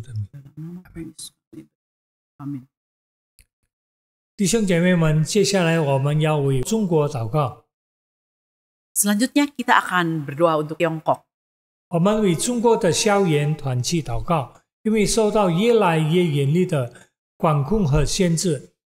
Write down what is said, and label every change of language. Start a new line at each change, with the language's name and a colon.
Indonesian: Sehingga mereka tidak terpengaruh oleh gelombang tertentu, mengajaukan yang ingin membangun bangsa Indonesia, menguasai Indonesia, dan menjalankan semua yang diinginkan.
Chinese: 弟兄姐妹们，接下来我们要为中国祷告。
Indonesian: Selanjutnya kita akan berdoa untuk Tiongkok.
Chinese: 我们为中国的消炎团契祷告，因为受到越来越严厉的管控和限制，